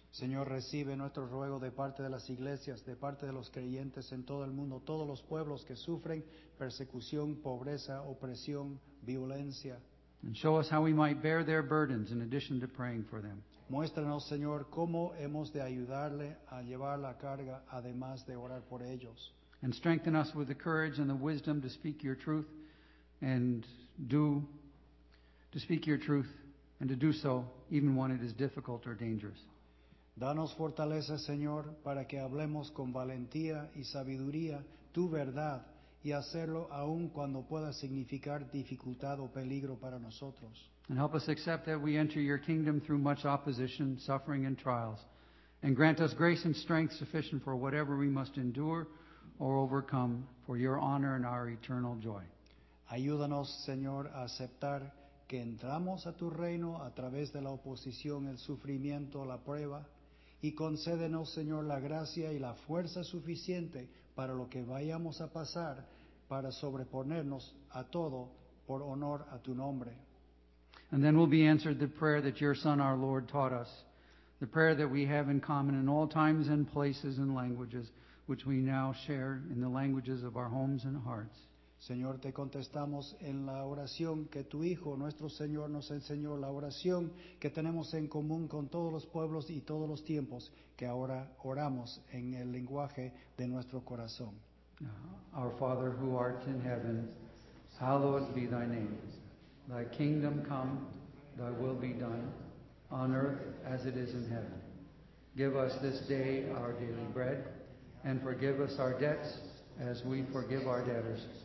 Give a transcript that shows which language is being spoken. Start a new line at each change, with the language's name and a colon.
Spanish: Señor, recibe nuestro ruego de parte de las iglesias, de parte de los creyentes en todo el mundo, todos los pueblos que sufren persecución, pobreza, opresión, violencia.
English: And show us how we might bear their burdens in addition to praying for them.
Spanish: Muéstranos, Señor, cómo hemos de ayudarle a llevar la carga además de orar por ellos.
English: And strengthen us with the courage and the wisdom to speak your truth and to speak your truth and to do so even when it is difficult or dangerous.
Spanish: Danos fortaleza, Señor, para que hablemos con valentía y sabiduría tu verdad y hacerlo aun cuando pueda significar dificultad o peligro para nosotros.
English: And help us accept that we enter your kingdom through much opposition, suffering, and trials. And grant us grace and strength sufficient for whatever we must endure or overcome for your honor and our eternal joy.
Spanish: Ayúdanos, Señor, a aceptar que entramos a tu reino a través de la oposición, el sufrimiento, la prueba. Y concédenos, Señor, la gracia y la fuerza suficiente para lo que vayamos a pasar, para sobreponernos a todo por honor a tu nombre.
English: And then will be answered the prayer that your Son, our Lord, taught us, the prayer that we have in common in all times and places and languages, which we now share in the languages of our homes and hearts.
Spanish: Señor, te contestamos en la oración que tu Hijo, nuestro Señor, nos enseñó, la oración que tenemos en común con todos los pueblos y todos los tiempos, que ahora oramos en el lenguaje de nuestro corazón.
English: Our Father, who art in heaven, hallowed be thy name. Thy kingdom come, thy will be done, on earth as it is in heaven. Give us this day our daily bread, and forgive us our debts as we forgive our debtors.